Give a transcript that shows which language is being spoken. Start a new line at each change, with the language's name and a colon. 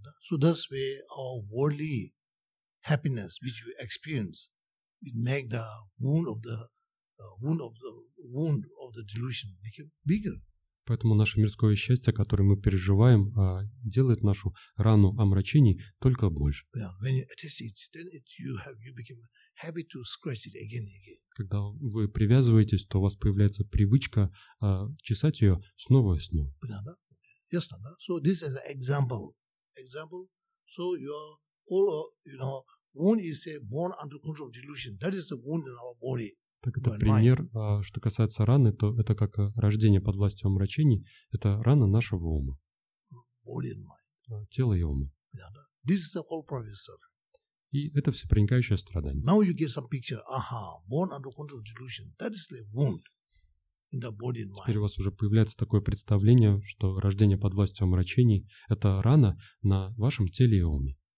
English: So that's where our worldly happiness which you experience it make the wound of the delusion become bigger.
Russian: Поэтому наше мирское счастье, которое мы переживаем, делает нашу рану омрачений только больше.
English: Yeah, when you attach it, then it, you have you become happy to scratch it again and again.
Russian: Когда вы привязываетесь, то у вас появляется привычка чесать ее снова и снова. Понятно, да? Ясно, да?
English: So this is an example. So you are wound is a born under control of delusion. That is the wound in our body.
Russian: Так это пример, что касается раны, то это как рождение под властью омрачений. Это рана нашего ума.
English: Body and mind.
Russian: Тело и ума.
English: Yeah, this is the whole process of.
Russian: И это всепроникающее страдание.
English: Now you get some picture. Aha, born under control of delusion. That is the wound in the body and mind.
Russian: Теперь у вас уже появляется такое представление, что рождение под властью омрачений – это рана на вашем теле и уме.